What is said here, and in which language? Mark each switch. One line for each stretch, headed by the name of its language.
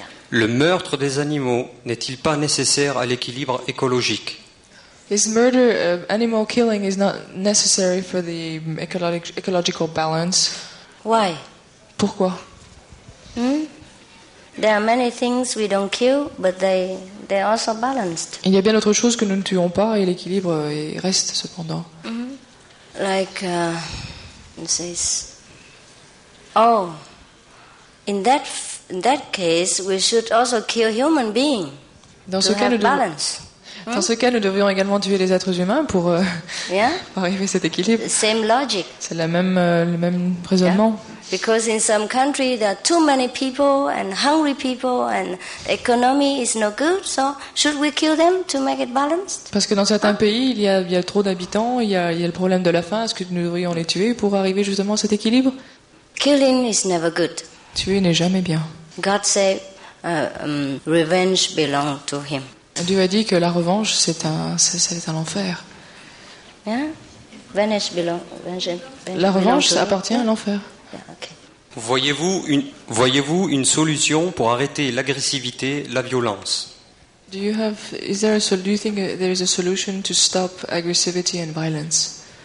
French: Le meurtre des animaux n'est-il pas nécessaire à l'équilibre écologique?
English: Is murder of animal killing is not necessary for the ecological balance? Why?
French: Pourquoi?
English: There are many things we don't kill, but they are also balanced.
French: Il y a bien d'autres choses que nous ne tuons pas et l'équilibre reste cependant.
English: Like this. Oh. In that case, we should also kill human beings.
French: Dans ce cas, nous devons. Dans ce cas, nous devrions également tuer les êtres humains pour arriver à cet équilibre.
English: Same logic.
French: C'est le même raisonnement.
English: Yeah. Because in some country there are too many people and hungry people and economy is no good, so should we kill them to make it balanced?
French: Parce que dans certains pays, il y a trop d'habitants, il y a le problème de la faim. Est-ce que nous devrions les tuer pour arriver justement à cet équilibre?
English: Killing is never good.
French: Tuer n'est jamais bien.
English: God said, revenge belongs to him.
French: Dieu a dit que la revanche, c'est un enfer.
English: Yeah?
French: La revanche appartient à l'enfer.
English: Yeah, okay.
French: Voyez-vous une solution pour arrêter l'agressivité, la violence?
English: Do you think there is a solution to stop aggressivity and violence?